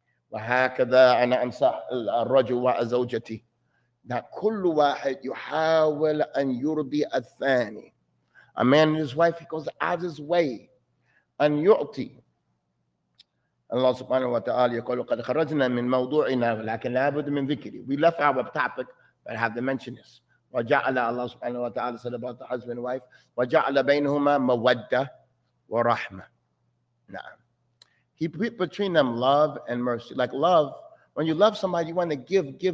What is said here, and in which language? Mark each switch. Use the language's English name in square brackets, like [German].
[Arabic] وهكذا أنا أنصح الرجل وزوجتي. That كل واحد يحاول أن يرضي الثاني. [English] A man and his wife, he goes out his way and يعطي. [Arabic] Allah subhanahu wa ta'ala يقول قد خرجنا من موضوعنا لكن لابد من ذكري. [English] We left our topic, but I have to mention this. [Arabic] وجعل الله سبحانه وتعالى [English] said about the husband and wife, [Arabic] وجعل بينهما مودة ورحمة. نعم. [English] He put between them love and mercy. Like love, when you love somebody, you want to give.